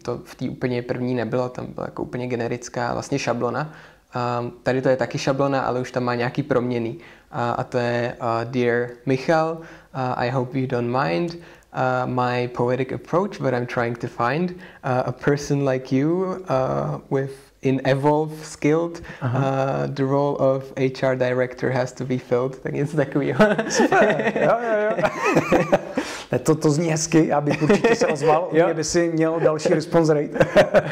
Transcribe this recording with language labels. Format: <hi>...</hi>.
<cs>To v té úplně první nebylo, tam byla jako úplně generická vlastně šablona. Tady to je taky šablona, ale už tam má nějaký proměnný. A to je</cs> <en>Dear Michal, I hope you don't mind. My poetic approach, but I'm trying to find a person like you with... in evolve skilled, the role of HR director has to be filled.</en> <cs>Tak něco takovýho. Super, jo. To zní hezky, já bych určitě se ozval, u mě by si měl další response rate.</cs>